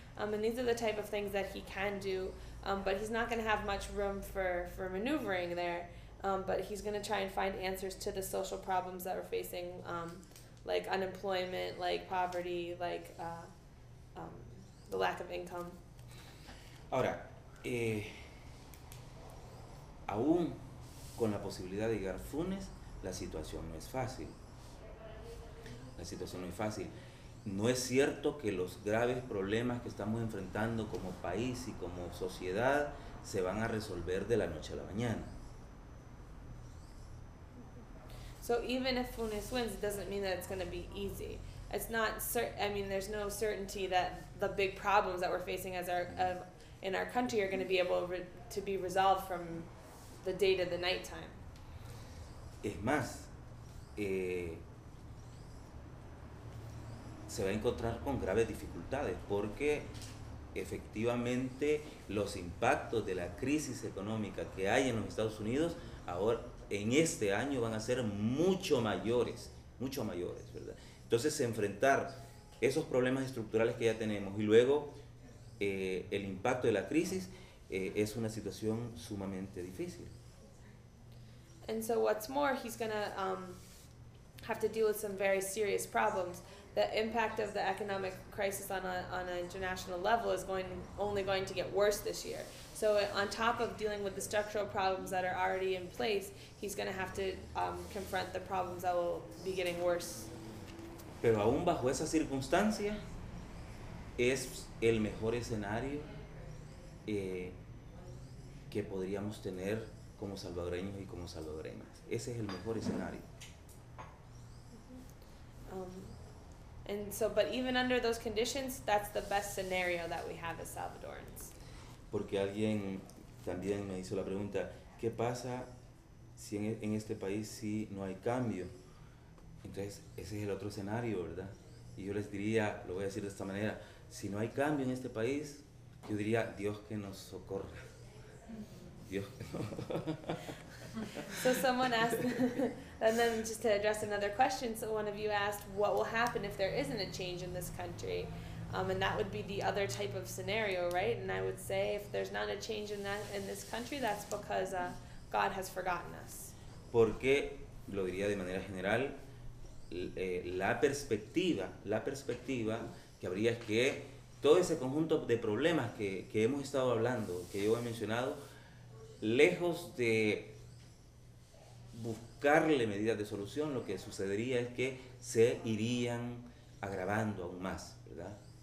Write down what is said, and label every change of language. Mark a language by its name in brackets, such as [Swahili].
[English] And these are the type of things that he can do, but he's not going to have much room for maneuvering there. But he's going to try and find answers to the social problems that we're facing, like unemployment, like poverty, like the lack of income. [Spanish] Ahora, aún con la posibilidad de llegar a Funes, la situación no es fácil. La situación no es fácil. No es cierto que los graves problemas que estamos enfrentando como país y como sociedad se van a resolver de la noche a la mañana. [English] So even if Funes wins, it doesn't mean that it's going to be easy. It's not certain. I mean, there's no certainty that the big problems that we're facing in our country are going to be able to be resolved from the day to the night time. [Spanish] Es más, se va a encontrar con graves dificultades porque efectivamente los impactos de la crisis económica que hay en los Estados Unidos ahora en este año van a ser mucho mayores, ¿verdad? Entonces, enfrentar esos problemas estructurales que ya tenemos y luego el impacto de la crisis es una situación sumamente difícil. [English] And so what's more, he's going to have to deal with some very serious problems. The impact of the economic crisis on an international level is going only going to get worse this year. So on top of dealing with the structural problems that are already in place, he's going to have to confront the problems that will be getting worse. [Spanish] Pero aún bajo esa circunstancia, es el mejor escenario que podríamos tener como salvadoreños y como salvadoreñas. Ese es el mejor escenario. [English] And so, but even under those conditions, that's the best scenario that we have as Salvadorans. [Spanish] Porque alguien también me hizo la pregunta, ¿qué pasa si en este país si no hay cambio? Entonces, ese es el otro escenario, ¿verdad? Y yo les diría, lo voy a decir de esta manera, si no hay cambio en este país, yo diría, Dios que nos socorra. Dios que nos... [English] So someone asked, and then just to address another question, so one of you asked, what will happen if there isn't a change in this country? And that would be the other type of scenario, right? And I would say, if there's not a change in that in this country, that's because God has forgotten us. [Spanish] Porque, lo diría de manera general, la perspectiva que habría es que todo ese conjunto de problemas que hemos estado hablando, que yo he mencionado, lejos de buscarle medidas de solución, lo que sucedería es que se irían agravando aún más, ¿verdad?